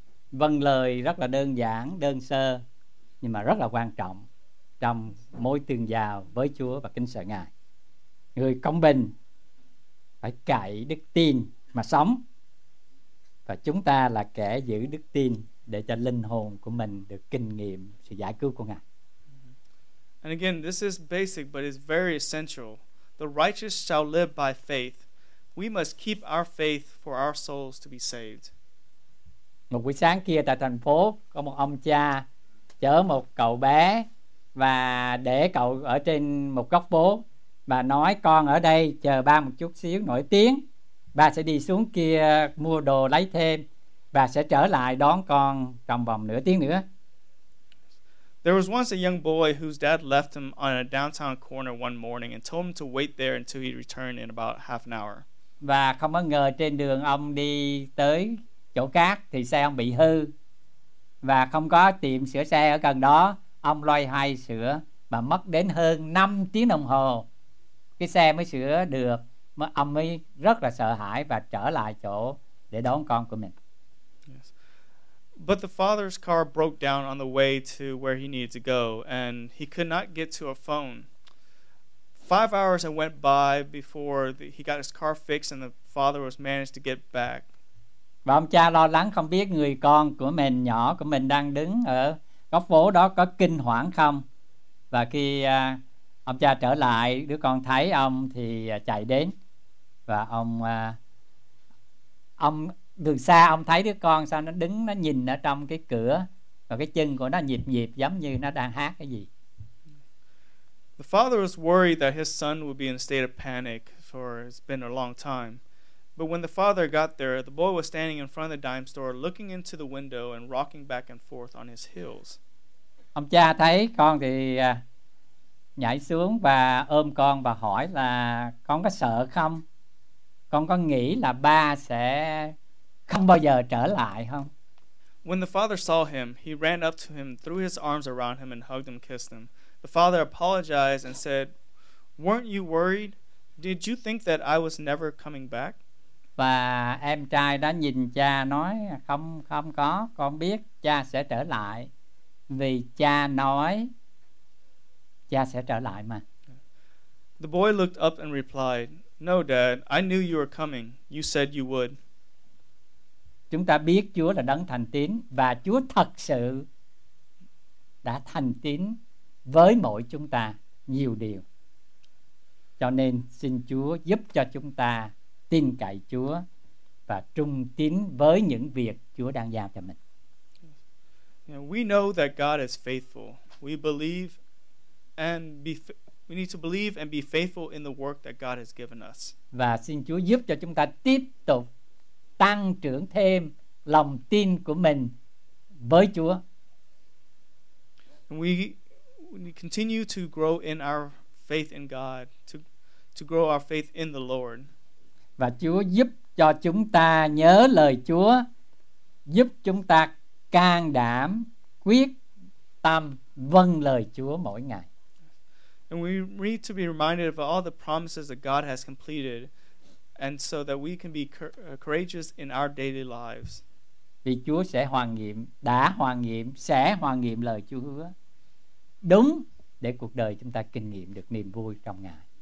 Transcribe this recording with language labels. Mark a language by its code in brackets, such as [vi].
[vi] Vâng lời rất là đơn giản, đơn sơ, nhưng mà rất là quan trọng trong mối tương giao với Chúa và kính sợ Ngài. Người công bình phải cậy đức tin mà sống, Và chúng ta là kẻ giữ đức tin để cho linh hồn của mình được kinh nghiệm sự giải cứu của Ngài. [en] And again, this is basic but it's very essential. The righteous shall live by faith. We must keep our faith for our souls to be saved. [vi] Một buổi sáng kia tại thành phố có một ông cha chở một cậu bé và để cậu ở trên một góc phố và nói con ở đây chờ ba một chút xíu nổi tiếng. Ba sẽ đi xuống kia mua đồ lấy thêm và sẽ trở lại đón con trong vòng nửa tiếng nữa. [en] There was once a young boy whose dad left him on a downtown corner one morning and told him to wait there until he returned in about half an hour. [vi] Và không có ngờ trên đường ông đi tới chỗ khác thì xe ông bị hư và không có tiệm sửa xe ở gần đó, ông loay hoay sửa và mất đến hơn 5 tiếng đồng hồ cái xe mới sửa được. Mà ông ấy rất là sợ hãi và trở lại chỗ để đón con của mình. [en] Yes. But the father's car broke down on the way to where he needed to go and he could not get to a phone. 5 hours had went by before he got his car fixed and the father was managed to get back. [vi] Và ông cha lo lắng không biết người con của mình, nhỏ của mình đang đứng ở góc phố đó có kinh hoảng không. Và khi ông cha trở lại, đứa con thấy ông thì chạy đến. Và ông đường xa ông thấy đứa con sao nó đứng, nó nhìn ở trong cái cửa và cái chân của nó nhịp nhịp giống như nó đang hát cái gì. [en] The father was worried that his son would be in a state of panic for it's been a long time. But when the father got there, the boy was standing in front of the dime store looking into the window and rocking back and forth on his heels. [vi] Ông cha thấy con thì nhảy xuống và ôm con và hỏi là con có sợ không? Con có nghĩ là ba sẽ không bao giờ trở lại không? [en] When the father saw him, he ran up to him, threw his arms around him and hugged him, kissed him. The father apologized and said, "Weren't you worried? Did you think that I was never coming back?" [vi] Và em trai đã nhìn cha nói không, không có, con biết cha sẽ trở lại vì cha nói cha sẽ trở lại mà. [en] The boy looked up and replied, "No, Dad, I knew you were coming. You said you would." [vi] Chúng ta biết Chúa là đấng thành tín và Chúa thật sự đã thành tín với mỗi chúng ta nhiều điều. Cho nên xin Chúa giúp cho chúng ta tin cậy Chúa và trung tín với những việc Chúa đang giao cho mình. [en] You know, we know that God is faithful. We believe and we need to believe and be faithful in the work that God has given us. [vi] Và xin Chúa giúp cho chúng ta tiếp tục tăng trưởng thêm lòng tin của mình với Chúa. [en] And we continue to grow in our faith in God, to grow our faith in the Lord. [vi] Và Chúa giúp cho chúng ta nhớ lời Chúa, giúp chúng ta can đảm quyết tâm vâng lời Chúa mỗi ngày. [en] And we need to be reminded of all the promises that God has completed and so that we can be courageous in our daily lives. [vi] Vì Chúa sẽ hoàn nghiệm, đã hoàn nghiệm, sẽ hoàn nghiệm lời Chúa hứa. Đúng để cuộc đời chúng ta kinh nghiệm được niềm vui trong Ngài.